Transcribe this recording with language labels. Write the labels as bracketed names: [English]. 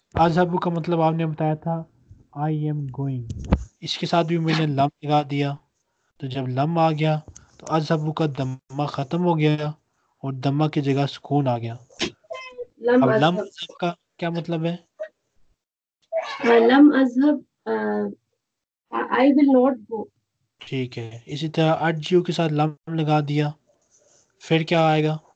[Urdu] اذهب کا مطلب آپ نے بتایا تھا [English] I am going. [Urdu] اس کے ساتھ بھی میں نے لم لگا دیا, تو جب لم آ گیا تو اذهب کا دمہ ختم ہو گیا اور دمہ کی جگہ سکون آ گیا. اب لم اذهب کا کیا مطلب ہے؟ [Arabic] لم اذهب [English] I will not go. [Urdu] ٹھیک ہے, اسی طرح ارجیو کے ساتھ لم لگا دیا, پھر کیا آئے گا؟